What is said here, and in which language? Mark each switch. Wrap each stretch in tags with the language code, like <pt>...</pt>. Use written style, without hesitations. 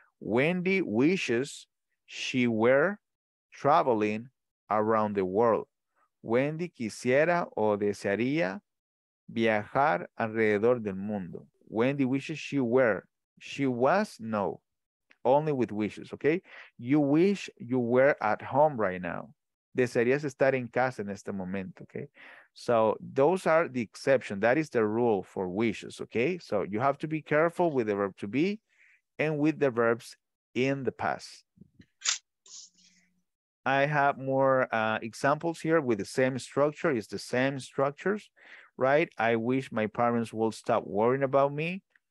<en>Wendy wishes she were traveling around the world.</en> <es>Wendy quisiera o desearía viajar alrededor del mundo.</es> <en>Wendy wishes she were. She was, no. Only with wishes, okay? You wish you were at home right now.</en> <es>Desearías estar en casa en este momento, okay?</es> <en>So those are the exception. That is the rule for wishes, okay? So you have to be careful with the verb to be and with the verbs in the past. I have more examples here with the same structure. It's the same structures, right? I wish my parents would stop worrying about me.</en>